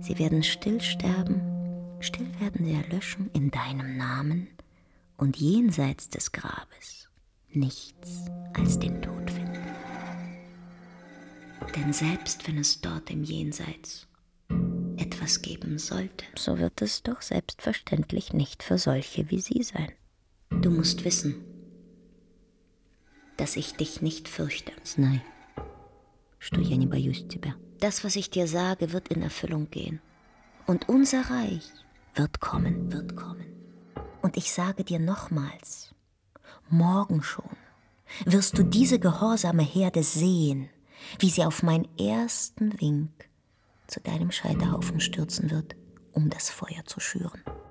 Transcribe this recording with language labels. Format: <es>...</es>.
<de>Sie werden still sterben, still werden sie erlöschen in deinem Namen und jenseits des Grabes nichts als den Tod finden. Denn selbst wenn es dort im Jenseits etwas geben sollte, so wird es doch selbstverständlich nicht für solche wie sie sein. Du musst wissen, dass ich dich nicht fürchte.</de> <ru>Nein, что я не боюсь тебя.</ru> <de>Das, was ich dir sage, wird in Erfüllung gehen. Und unser Reich wird kommen. Und ich sage dir nochmals, morgen schon wirst du diese gehorsame Herde sehen, wie sie auf meinen ersten Wink zu deinem Scheiterhaufen stürzen wird, um das Feuer zu schüren.</de>